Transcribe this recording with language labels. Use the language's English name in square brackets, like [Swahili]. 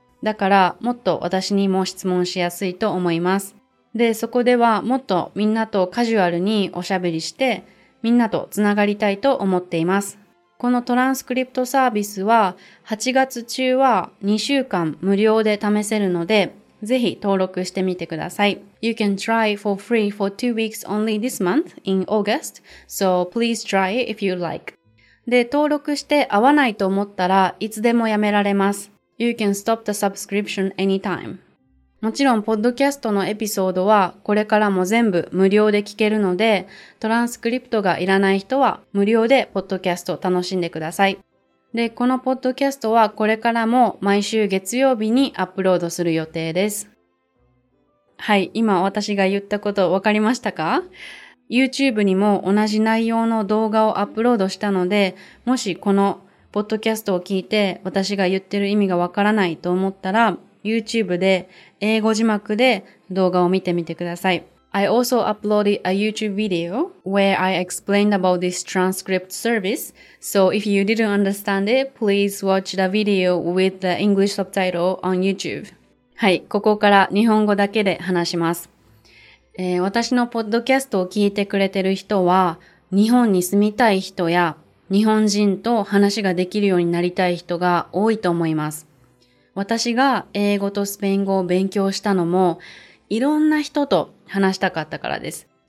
[Japanese] だからもっと私にも質問しやすいと思います。で、そこではもっとみんなとカジュアルにおしゃべりしてみんなとつながりたいと思っています。このトランスクリプトサービスは8月中は2週間無料で試せるので、ぜひ登録してみてください。 [English] You can try for free for 2 weeks only this month in August, so please try if you like. [Japanese] で、登録して合わないと思ったらいつでもやめられます。 [English] You can stop the subscription anytime. [Japanese] もちろん、ポッドキャストのエピソードはこれからも全部無料で聞けるので、トランスクリプトがいらない人は無料でポッドキャストを楽しんでください。で、このポッドキャストはこれからも毎週月曜日にアップロードする予定です。はい、今私が言ったこと分かりましたか？YouTube にも同じ内容の動画をアップロードしたので、もしこのポッドキャストを聞いて私が言ってる意味が分からないと思ったら、YouTube で英語字幕で動画を見てみてください。 [English] I also uploaded a YouTube video where I explained about this transcript service. So if you didn't understand it, please watch the video with the English subtitle on YouTube. [Japanese] はい、ここから日本語だけで話します。私のポッドキャストを聞いてくれてる人は、日本に住みたい人や日本人と話ができるようになりたい人が多いと思います。私が英語とスペイン語を勉強したのも、いろんな人と話したかったからです。